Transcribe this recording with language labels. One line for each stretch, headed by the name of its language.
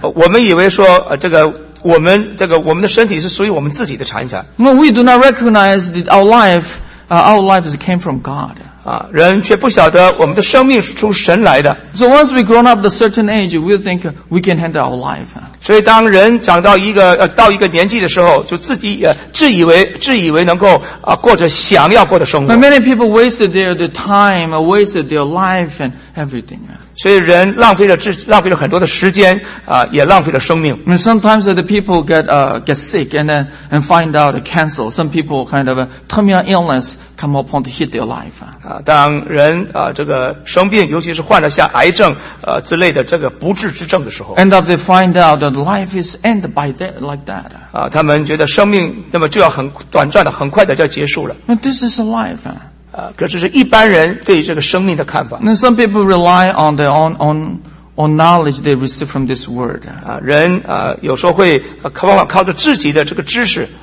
Chinese: 我们以为说我们的身体是属于我们自己的财产。
English: No, we do not recognize that our life is came from God.
Chinese: 人却不晓得我们的生命是从神来的。
English: So once we grown up a certain age, we think we can handle our life.
Chinese: 所以当人长到一个年纪的时候，就自己自以为能够过着想要过的生活。
English: But many people wasted their time, wasted their life and everything.
Chinese: 所以人浪费了很多的时间也浪费了生命。
English: And sometimes the people get sick and find out the cancer. Some people kind of a terminal illness. Come upon to hit their life.
Chinese: 当人这个生病，尤其是患了像癌症之类的这个不治之症的时候
English: ，end up they find out that life is end by that like that.
Chinese: 他们觉得生命那么就要很短暂的、很快的就要结束了。
English: And this is life.
Chinese: 可是这是一般人对这个生命的看法。
English: And some people rely on their own knowledge they receive from this word.
Chinese: 人有时候会靠着自己的这个知识。